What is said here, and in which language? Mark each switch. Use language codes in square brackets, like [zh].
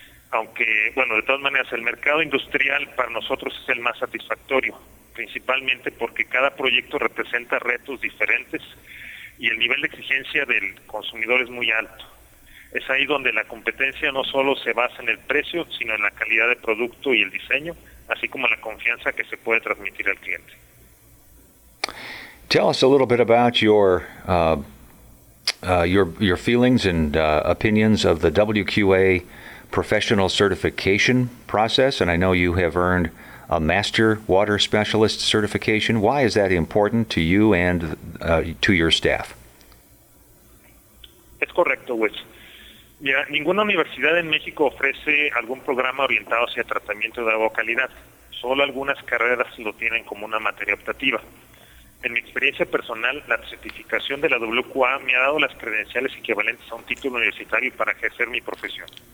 [es] Aunque, bueno, de todas maneras, el mercado industrial para nosotros es el más satisfactorio, principalmente porque cada proyecto representa retos diferentes y el nivel de exigencia del consumidor es muy alto. Es ahí donde la competencia no solo se basa en el precio, sino en la calidad de producto y el diseño, así como la confianza que se puede transmitir al cliente. [en] Tell us a little bit about your feelings and opinions of the WQA professional certification process, and I know you have earned a Master Water Specialist certification. Why is that important to you and to your staff? [es] Es correcto, Wes. Mira, ninguna universidad en México ofrece algún programa orientado hacia tratamiento de agua calidad. Solo algunas carreras lo tienen como una materia optativa. En mi experiencia personal, la certificación de la WQA me ha dado las credenciales equivalentes a un título universitario para ejercer mi profesión.